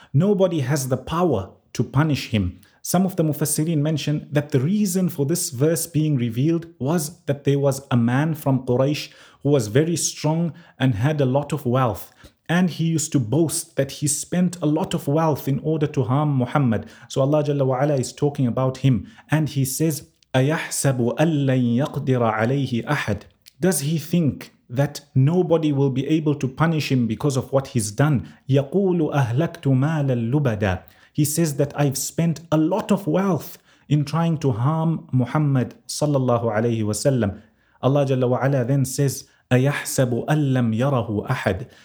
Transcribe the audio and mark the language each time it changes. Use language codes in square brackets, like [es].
[en] Nobody has the power to punish him? Some of the Mufassirin mention that the reason for this verse being revealed was that there was a man from Quraysh who was very strong and had a lot of wealth. And he used to boast that he spent a lot of wealth in order to harm Muhammad. So Allah Jalla wa Ala is talking about him. And he says, [ar] أَيَحْسَبُ أَلَّنْ يَقْدِرَ عَلَيْهِ أَحَدٍ. [en] Does he think that nobody will be able to punish him because of what he's done? [ar] يَقُولُ أَهْلَكْتُ مَالَ اللُّبَدَى. [en] He says that I've spent a lot of wealth in trying to harm Muhammad sallallahu alayhi wa sallam. Allah Jalla wa Ala then says, [ar] أَيَحْسَبُ أَلَّمْ يَرَهُ أَحَدٍ.